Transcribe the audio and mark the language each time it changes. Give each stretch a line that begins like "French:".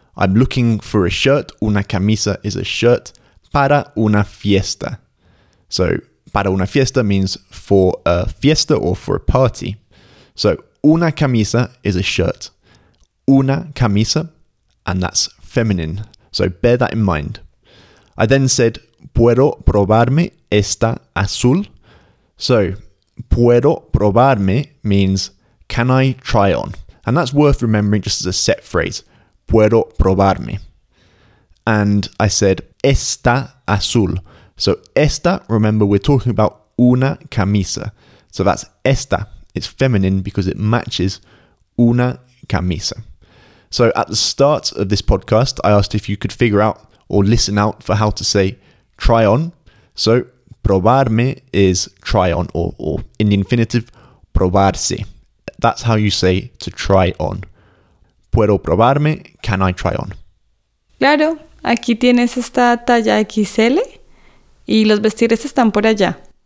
English: I'm looking for a shirt.
Spanish: Una camisa
English: is a shirt.
Spanish: Para una fiesta.
English: So,
Spanish: para una fiesta
English: means for a fiesta or for a party. So,
Spanish: una camisa
English: is a shirt.
Spanish: Una camisa,
English: and that's feminine. So, bear that in mind. I then said,
Spanish: ¿Puedo probarme esta azul?
English: So,
Spanish: ¿Puedo probarme?
English: Means, can I try on? And that's worth remembering just as a set phrase.
Spanish: ¿Puedo probarme?
English: And I said,
Spanish: esta azul.
English: So esta, remember, we're talking about
Spanish: una camisa.
English: So that's esta. It's feminine because it matches
Spanish: una camisa.
English: So at the start of this podcast, I asked if you could figure out or listen out for how to say try on. So probarme is try on, or in the infinitive, probarse. That's how you say to try on.
Spanish: ¿Puedo probarme?
English: Can I try on?
Spanish: Claro, aquí tienes esta talla XL y los vestires están por allá.